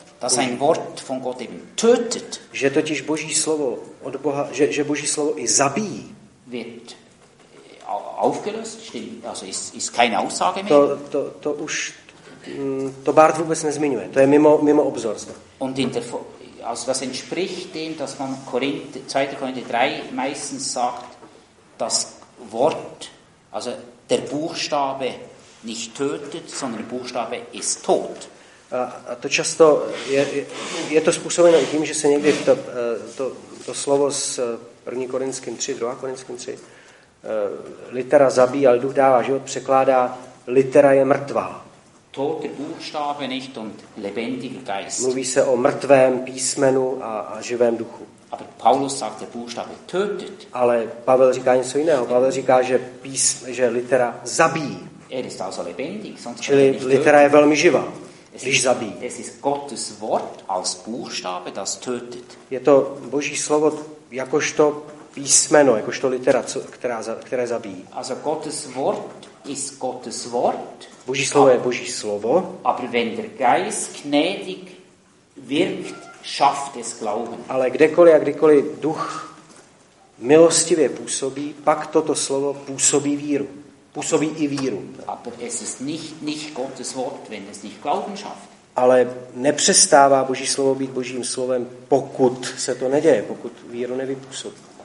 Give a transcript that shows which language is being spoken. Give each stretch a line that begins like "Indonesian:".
German: Dass ein Wort von Gott eben tötet.
Czech: Že totiž Boží slovo od Boha, že Boží slovo i zabíjí.
German: Wird aufgelöst, stimmt, also ist keine Aussage mehr.
Czech: To už to Barth vůbec nezmiňuje. To je mimo obzor.
German: Und in der, also das entspricht dem, dass man 2. Korinther 3 meistens sagt, das Wort, also der Buchstabe nicht tötet, sondern der Buchstabe ist tot.
Czech: A to často je to způsobeno i tím, že se někdy to slovo s 1. Korinským 3, 2. Korinským 3, litera zabíjí, ale Duch dává život, překládá, litera je mrtvá.
German: Tote Buchstabe nicht und lebendiger Geist.
Czech: Mluví se o mrtvém písmenu a živém duchu.
German: Aber Paulus sagt, der Buchstabe tötet.
Czech: Ale Pavel říká něco jiného. Pavel říká, že litera zabíjí.
German: Er ist also lebendig, sonst
Czech: čili litera je velmi živá. Když zabíjí.
German: Es ist Gottes Wort als Buchstabe, das tötet.
Czech: Je to Boží slovo jakožto písmeno, jakožto litera, které zabíjí.
German: Also Gottes Wort ist Gottes Wort.
Czech: Boží slovo je Boží slovo.
German: Aber wenn der Geist gnädig wirkt, schafft es Glauben.
Czech: Ale kdekoliv a kdykoliv duch milostivě působí, pak toto slovo působí víru. Působí i víru.
German: Aber es ist nicht Gottes Wort, wenn es nicht Glauben schafft.
Czech: Ale nepřestává Boží slovo být Božím slovem, pokud se to neděje, pokud víru nevypůsobí.